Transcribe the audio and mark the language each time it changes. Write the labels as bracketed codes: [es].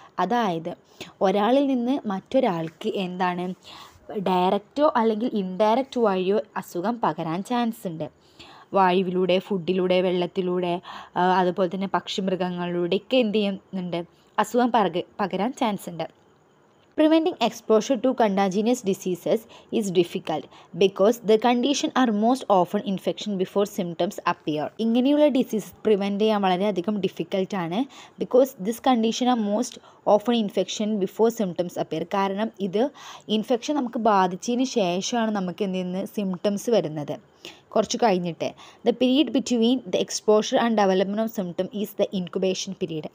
[ml] അതായത് ഒരാളിൽ നിന്ന് മറ്റൊരാൾക്ക് എന്താണ് ഡയറക്റ്റോ അല്ലെങ്കിൽ ഇൻഡയറക്റ്റ് വഴിയോ അസുഖം പകരാൻ ചാൻസ് ഉണ്ട്. വായുവിലൂടെ, ഫുഡിലൂടെ, വെള്ളത്തിലൂടെ, അതുപോലെ തന്നെ പക്ഷി മൃഗങ്ങളിലൂടെ ഒക്കെ എന്ത് ചെയ്യുന്നുണ്ട്, അസുഖം പകരാൻ ചാൻസ് ഉണ്ട്. [en] Preventing exposure to contagious diseases is difficult because the condition are most often infection before symptoms appear. [ml] ഇങ്ങനെയുള്ള diseases prevent ചെയ്യാൻ വളരെയധികം ഡിഫിക്കൽട്ടാണ്. [en] Because this condition are most often infection before symptoms appear. [ml] കാരണം ഇത് ഇൻഫെക്ഷൻ നമുക്ക് ബാധിച്ചതിന് ശേഷമാണ് നമുക്ക് എന്ത് ചെയ്യുന്നത്, സിംപ്റ്റംസ് വരുന്നത്. കുറച്ച് കഴിഞ്ഞിട്ട് [en] The period between the exposure and development of symptom is the incubation period.